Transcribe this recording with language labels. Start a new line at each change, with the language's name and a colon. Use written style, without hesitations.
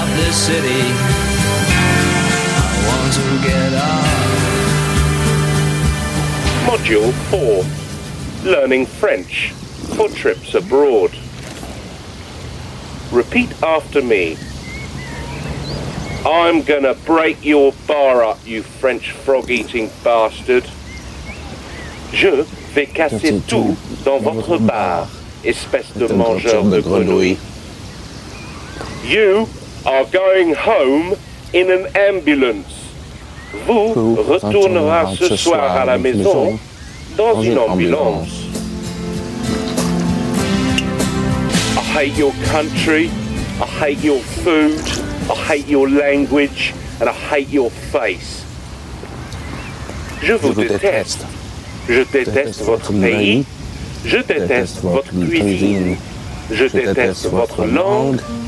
English: City, I want to get up. Module 4, Learning French for Trips Abroad. Repeat after me. I'm gonna break your bar up, you French frog-eating bastard.
French: Je vais casser tout dans votre bar, espèce de mangeur de grenouille.
English: You are going home in an ambulance.
French: Vous retournera ce soir à la maison dans une ambulance.
English: I hate your country, I hate your food, I hate your language, and I hate your face.
French: Je vous déteste. Je déteste votre pays. Je déteste votre cuisine. Je déteste votre langue.